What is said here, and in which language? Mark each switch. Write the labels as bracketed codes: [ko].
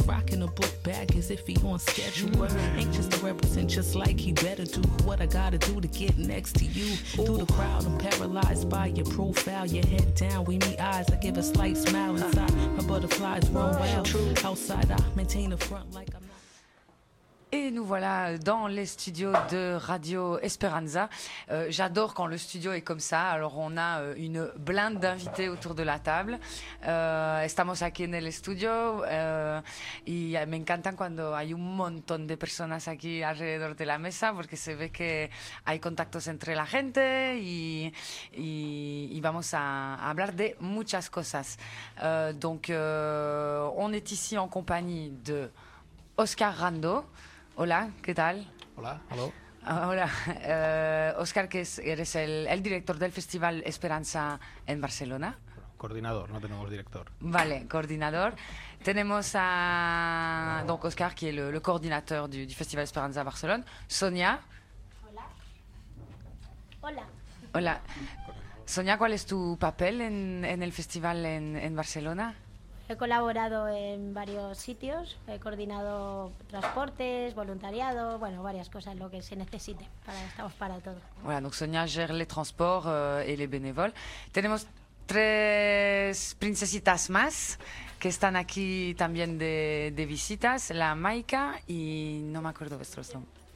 [en] Rocking a book bag as if he on schedule. Anxious to represent just like he better do. What I gotta do to get next to you. Through the crowd, I'm paralyzed by your profile. Your head down, we meet eyes. I give a slight smile inside. My butterflies run wild. Outside, I maintain the front like I'm. [fr] Et nous voilà dans les studios de Radio Esperanza. J'adore quand le studio est comme ça. Alors on a une blinde d'invités autour de la table. [es] Estamos aquí en el estudio. Y me encanta cuando hay un montón de personas aquí alrededor de la mesa porque se ve que hay contactos entre la gente y vamos a hablar de muchas cosas. [fr] Donc on est ici en compagnie de Oscar Rando. [es] Hola, ¿qué tal? Hola, hello. Hola, Oscar, que eres el director del Festival Esperanza en Barcelona. Coordinador, no tenemos director. Vale, coordinador. Tenemos a donc Oscar, que es el coordinador del Festival Esperanza en Barcelona. Sonia. Hola. Hola. Hola. Sonia, ¿cuál es tu papel en el Festival en Barcelona? He colaborado en varios sitios, he coordinado transportes, voluntariado, bueno, varias cosas, lo que se necesite, estamos para todo. [fr] Voilà, donc Sonia gère les transports et les bénévoles. [es] Tenemos tres princesitas más que están aquí también de visitas, la Maika y no me acuerdo vuestros nombres.